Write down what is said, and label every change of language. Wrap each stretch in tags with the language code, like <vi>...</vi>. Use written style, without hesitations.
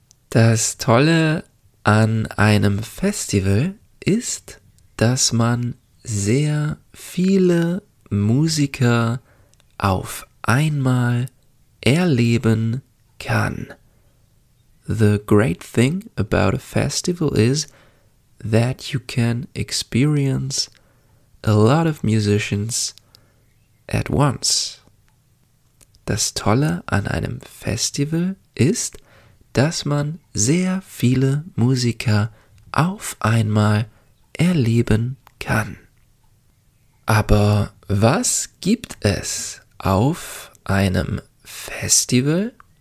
<de>Das Tolle an einem Festival ist, dass man sehr viele Musiker auf einmal erleben kann.</de> <en>The great thing about a festival is that you can experience a lot of musicians at once.</en> <de>Das Tolle an einem Festival ist, dass man sehr viele Musiker auf einmal erleben kann. Aber was gibt es auf einem Festival?</de>